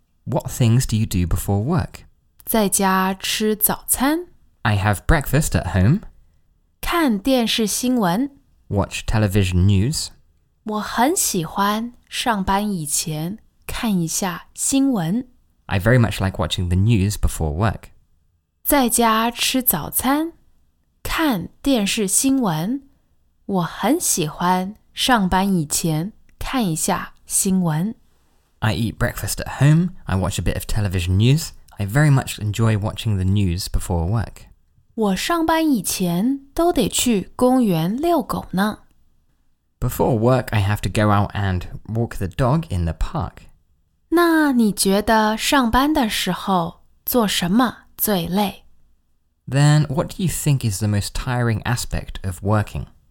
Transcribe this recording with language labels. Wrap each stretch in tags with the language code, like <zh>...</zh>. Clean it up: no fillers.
<en>What things do you do before work?</en> <zh>在家吃早餐?</zh> <en>I have breakfast at home.</en> <zh>看电视新闻.</zh> <en>Watch television news.</en> <zh>我很喜欢上班以前看一下新闻.</zh> <en>I very much like watching the news before work.</en> <zh>在家吃早餐.看电视新闻. 我很喜欢上班以前看一下新闻.</zh> <en>I eat breakfast at home. I watch a bit of television news. I very much enjoy watching the news before work.</en> <zh>我上班以前都得去公园遛狗呢。</zh> <en>Before work, I have to go out and walk the dog in the park.</en> <zh>那你觉得上班的时候做什么最累?</zh> <en>Then what do you think is the most tiring aspect of working?</en>